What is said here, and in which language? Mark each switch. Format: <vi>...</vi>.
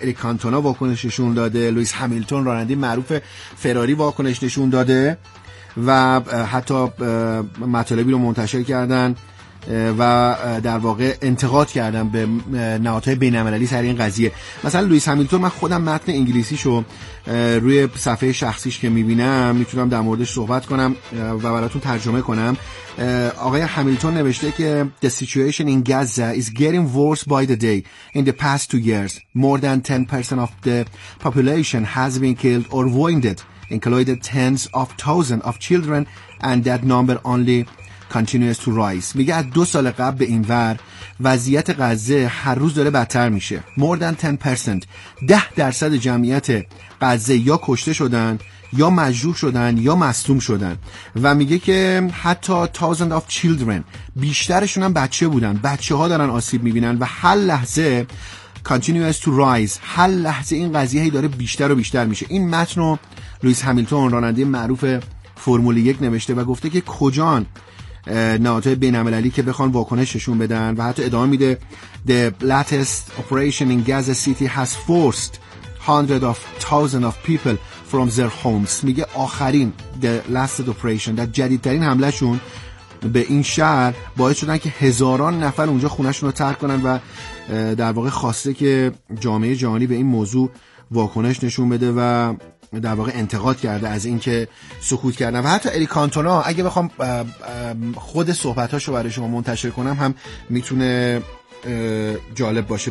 <fa>اریک کانتونا واکنششون داده، لوئیس همیلتون راننده معروف فراری واکنش نشون داده و حتی مطالبی رو منتشر کردن و در واقع انتقاد کردم به نهادهای بین‌المللی سر این قضیه. مثلا لوئیس همیلتون، من خودم متن انگلیسیشو روی صفحه شخصیش که می‌بینم میتونم در موردش صحبت کنم و براتون ترجمه کنم. آقای همیلتون نوشته که</fa> <en>the situation in Gaza is getting worse by the day. In the past 2 years, more than 10% of the population has been killed or wounded, including tens of thousands of children, and that number only continues to rise.</en> <fa>میگه از 2 سال قبل به این ور وضعیت غزه هر روز داره بدتر میشه.</fa> <en>More than 10%.</en> <fa>10% جمعیت غزه یا کشته شدن یا مجروح شدن یا مصدوم شدن. و میگه که حتی</fa> <en>thousands of children،</en> <fa>بیشترشون هم بچه بودن، بچه ها دارن آسیب میبینن و هر لحظه</fa> <en>continues to rise،</en> <fa>هر لحظه این قضیه داره بیشتر و بیشتر میشه. این متن رو لوئیس همیلتون راننده معروف فرمول 1 نوشته و گفته که کجان نهادهای بین‌المللی که بخوان واکنششون بدن. و حتی ادامه میده</fa> <en>the latest operation in Gaza City has forced hundreds of thousands of people from their homes.</en> <fa>میگه آخرین</fa> <en>the last operation،</en> <fa>در جدیدترین حمله شون به این شهر باعث شدن که هزاران نفر اونجا خونه‌شون رو ترک کنن و در واقع خواسته که جامعه جهانی به این موضوع واکنش نشون بده و در واقع انتقاد کرده از اینکه سکوت کردن. و حتی اریک کانتونا اگه بخوام خود صحبتاشو برای شما منتشر کنم هم میتونه جالب باشه.</fa>